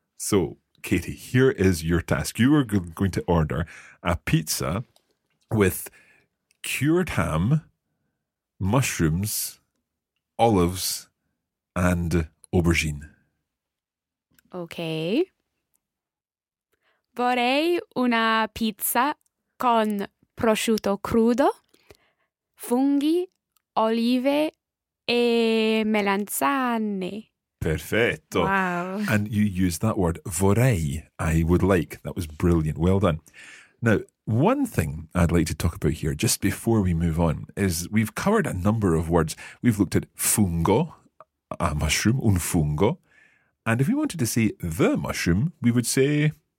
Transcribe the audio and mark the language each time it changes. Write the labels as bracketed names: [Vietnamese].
[English] So, Katie, here is your task. You are going to order a pizza with cured ham, mushrooms, olives, and aubergine. Okay. [Italian] Vorrei una pizza con prosciutto crudo, funghi, olive e melanzane. Perfetto. [English] Wow. And you used that word, vorrei, I would like. That was brilliant. Well done. Now, one thing I'd like to talk about here, just before we move on, is we've covered a number of words. We've looked at fungo, a mushroom, un fungo. And if we wanted to say the mushroom, we would say...